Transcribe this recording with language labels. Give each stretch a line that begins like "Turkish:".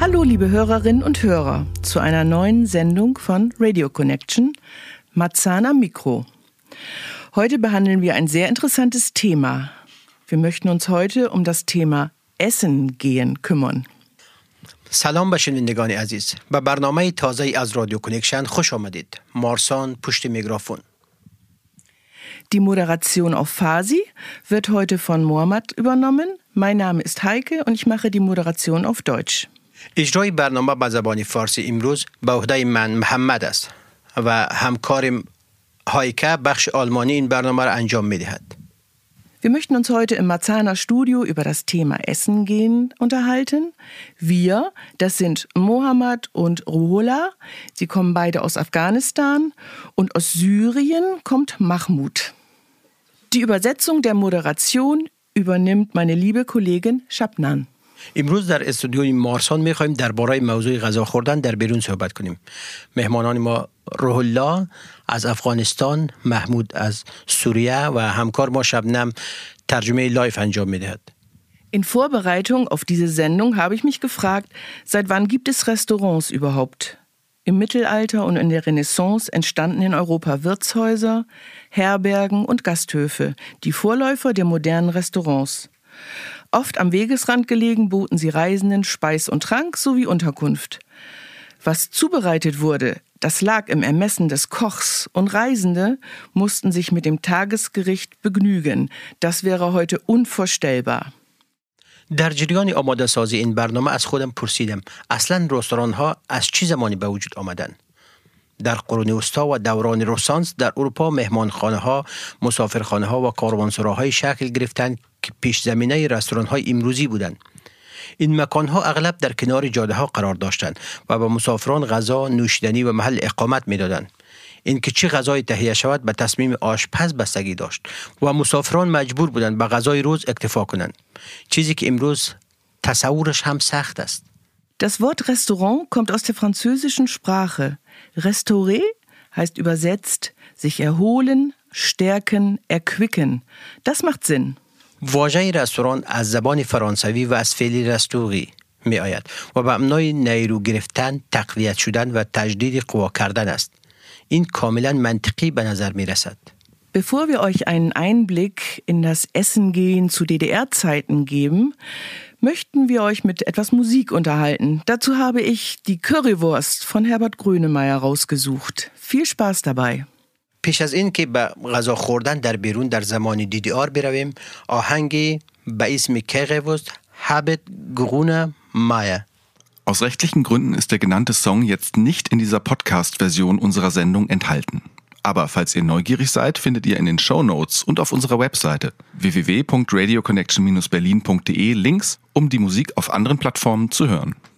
German: Hallo liebe Hörerinnen und Hörer zu einer neuen Sendung von Radio Connection, Marzahn am Mikro. Heute behandeln wir ein sehr interessantes Thema. Wir möchten uns heute um das Thema Essen gehen kümmern.
Persian: سلام به شنوندگان عزیز به برنامه تازه از رادیو کنکشن خوش آمدید. مارسان پشت میکروفون.
German: Die Moderation auf Farsi wird heute von Mohammad übernommen. Mein Name ist Heike und ich mache die Moderation auf Deutsch.
Persian: اجرای برنامه به زبان فارسی امروز به عهده من محمد است و همکارم هایکا بخش آلمانی این برنامه را انجام می‌دهد.
German: Wir möchten uns heute im Marzahner Studio über das Thema Essen gehen unterhalten. Wir, das sind Mohammad und Ruhola, sie kommen beide aus Afghanistan und aus Syrien kommt Mahmoud. Die Übersetzung der Moderation übernimmt meine liebe Kollegin Shabnan.
Persian: امروز در استودیوی مارسان میخواییم درباره موضوع غذا خوردن در بیرون صحبت کنیم. مهمانان ما روح الله از افغانستان، محمود از سوریه و همکار ما شبنم ترجمه لایف انجام میدهد.
German: In Vorbereitung auf diese Sendung habe ich mich gefragt, seit wann gibt es Restaurants überhaupt? Im Mittelalter und in der Renaissance entstanden in Europa Wirtshäuser, Herbergen und Gasthöfe, die Vorläufer der modernen Restaurants. Oft am Wegesrand gelegen, boten sie Reisenden Speis und Trank sowie Unterkunft. Was zubereitet wurde, das lag im Ermessen des Kochs und Reisende mussten sich mit dem Tagesgericht begnügen. Das wäre heute unvorstellbar.
Persian: در جریان آماده سازی این برنامه از خودم پرسیدم اصلاً رستوران ها از چه زمانی به وجود آمدند؟ در قرون وسطا و دوران رنسانس در اروپا مهمانخانه ها، مسافرخانه ها و کاروانسراهای شکل گرفتند که پیش زمینه رستوران های امروزی بودند. این مکان ها اغلب در کنار جاده ها قرار داشتند و به مسافران غذا، نوشیدنی و محل اقامت می دادند. این که چه غذای تهیه شود به تصمیم آشپز بستگی داشت و مسافران مجبور بودند به غذای روز اکتفا کنند. چیزی که امروز تصورش هم سخت است.
German: Das Wort Restaurant kommt aus der französischen Sprache. Restauré heißt übersetzt sich erholen, stärken, erquicken. Das macht Sinn.
Persian: واژه رستوران از زبان فرانسوی و از فعل رستوری می آید و به معنای نیرو گرفتن، تقویت شدن و تجدید قوا کردن است. این کاملا منطقی به نظر می رسد.
German: Bevor wir euch einen Einblick in das Essen gehen zu DDR-Zeiten geben, möchten wir euch mit etwas Musik unterhalten. Dazu habe ich die Currywurst von Herbert Grönemeyer rausgesucht. Viel Spaß dabei.
Persian: پیش از این که به غذا خوردن در بیرون در زمان DDR برویم، آهنگ به اسم Currywurst Herbert Grönemeyer.
German: Aus rechtlichen Gründen ist der genannte Song jetzt nicht in dieser Podcast-Version unserer Sendung enthalten. Aber falls ihr neugierig seid, findet ihr in den Shownotes und auf unserer Webseite www.radioconnection-berlin.de Links, um die Musik auf anderen Plattformen zu hören.